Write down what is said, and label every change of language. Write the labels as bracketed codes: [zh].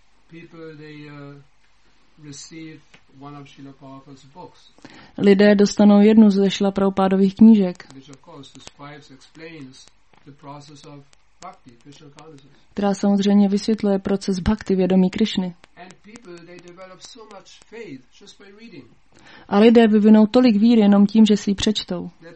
[en] People they receive one of Srila Prabhupada's books. [cs] Lidé dostanou jednu ze Srila Prabhupádových knížek. [en] Which of course describes, explains the process of bhakti, Krishna consciousness. [cs] Která samozřejmě vysvětluje proces bhakti vědomí Krišny. [en] And people they develop so much faith just by reading. [cs] A lidé vyvinou tolik víry jenom tím, že si ji přečtou.